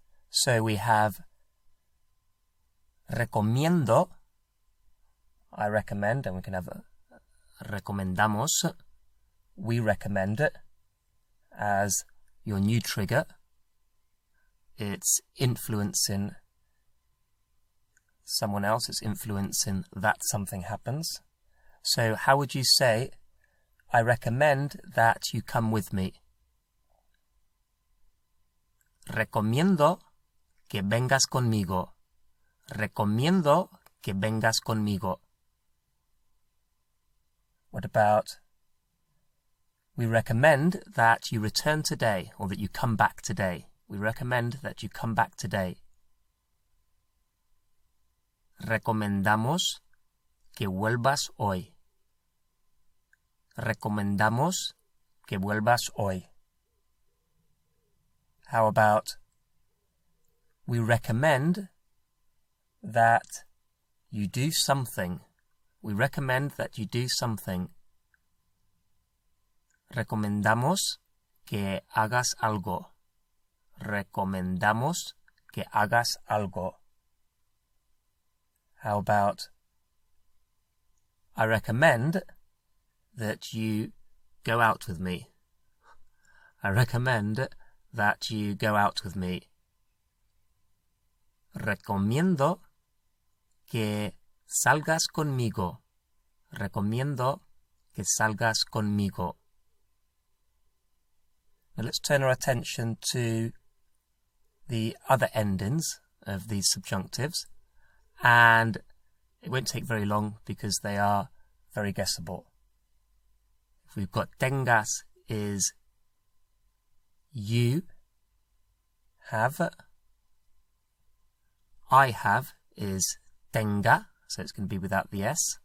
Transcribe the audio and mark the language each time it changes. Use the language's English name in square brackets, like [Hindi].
[English] So we have recomiendo, I recommend, and we can have recomendamos, we recommend it, as your new trigger. It's influencing someone else, it's influencing that something happens. So how would you say, I recommend that you come with me? [Spanish] Recomiendo que vengas conmigo. Recomiendo que vengas conmigo. [English] What about, we recommend that you return today, or that you come back today. We recommend that you come back today. [Spanish] Recomendamos que vuelvas hoy. Recomendamos que vuelvas hoy. [English] How about, we recommend that you do something. We recommend that you do something. [Spanish] Recomendamos que hagas algo. Recomendamos que hagas algo. [English] How about, I recommend that you go out with me. I recommend that you go out with me. [Spanish] Recomiendo que salgas conmigo. Recomiendo que salgas conmigo. [English] Now let's turn our attention to the other endings of these subjunctives, and it won't take very long because they are very guessable. If we've got tengas is you have, I have is tenga, so it's going to be without the S.